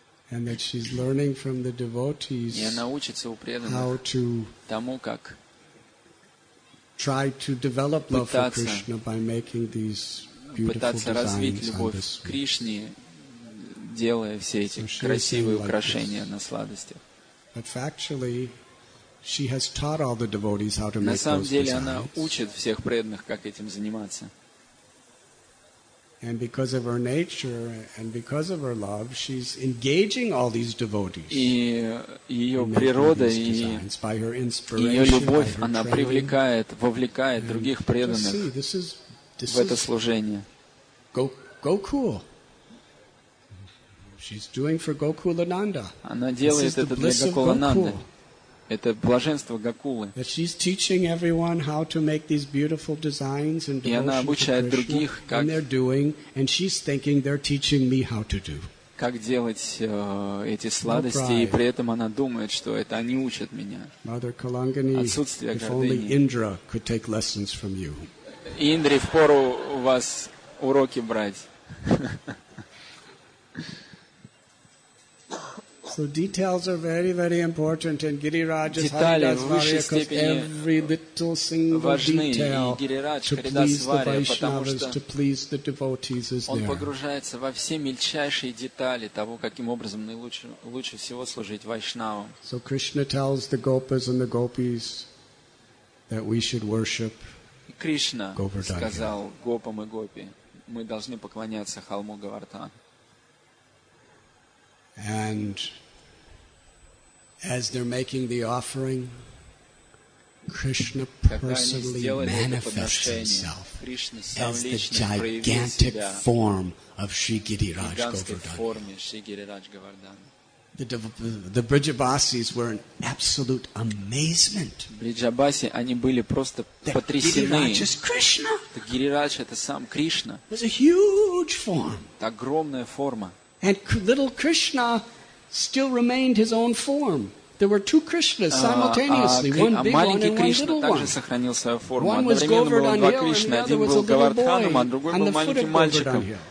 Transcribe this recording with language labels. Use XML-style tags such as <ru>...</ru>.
<en>And that she's learning from the devotees.</en> <ru>И она учится у преданных.</ru> <en>How to</en> <ru>тому как</ru> <en>try to develop love for Krishna by making these beautiful designs.</en> <ru>Пытаться развить любовь к Кришне, делая все эти красивые украшения на сладостях.</ru> <en>But factually, she has taught all the devotees how to make those designs.</en> <ru>На самом деле, она учит всех преданных, как этим заниматься.</ru> <en>And because of her nature and because of her love, she's engaging all these devotees.</en> <ru>И её природа и её любовь, она привлекает, вовлекает других преданных в это служение.</ru> <en>Gokul. She's doing for Gokulananda.</en> <ru>Она делает это для Гокулананды. Это блаженство Гокулы.</ru> <en>She's teaching everyone how to make these beautiful designs and devotion.</en> <ru>И она обучает других, как</ru> <en>and they're doing, and she's thinking they're teaching me how to do.</en> <ru>Как делать эти сладости, и при этом она думает, что это они учат меня.</ru> <en>Mother Kalangani, if only Indra could take lessons from you.</en> <ru>Индре впору у вас уроки брать.</ru> <en>So details are very, very important, and Girirajas Haridasvarya cause every little single detail to please the Vaishnavas, to please the devotees is there.</en> <ru>Он погружается во все мельчайшие детали того, каким образом лучше всего служить Вайшнавам.</ru> <en>So Krishna tells the Gopas and the Gopis that we should worship Govardhana.</en> <ru>Кришна сказал Гопам и Гопи, мы должны поклоняться холму Говардхан.</ru> <en>And as they're making the offering, Krishna personally manifests himself as the gigantic form of Sri Giriraj Govardhan. The Brijabasis were in absolute amazement.</en> <ru>Бриджабаси, они были просто потрясены.</ru> <en>Giriraj is Krishna.</en> <ru>Girirach, это сам Кришна.</ru> <en>It's a huge form.</en> <ru>Огромная форма.</ru> <en>And little Krishna still remained his own form. There were two Krishnas simultaneously, one big one and one little one.</en> <ru>Также сохранил свою форму. Одновременно было два Кришны, один был Говардханом, а другой был маленьким мальчиком.</ru>